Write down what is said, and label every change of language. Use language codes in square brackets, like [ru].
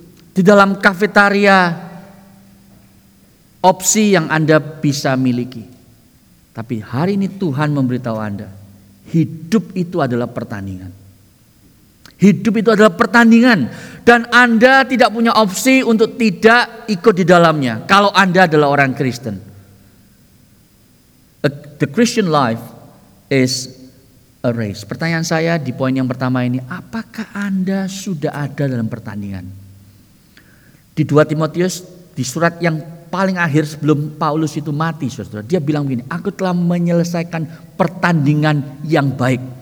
[id] Di dalam kafetaria opsi yang Anda bisa miliki. Tapi hari ini Tuhan memberitahu Anda, hidup itu adalah pertandingan. Hidup itu adalah pertandingan. Dan Anda tidak punya opsi untuk tidak ikut di dalamnya. Kalau Anda adalah orang Kristen. [en] The Christian life is a race. [id] Pertanyaan saya di poin yang pertama ini, apakah Anda sudah ada dalam pertandingan? Di 2 Timotius, di surat yang paling akhir sebelum Paulus itu mati, saudara, dia bilang begini, aku telah menyelesaikan pertandingan yang baik.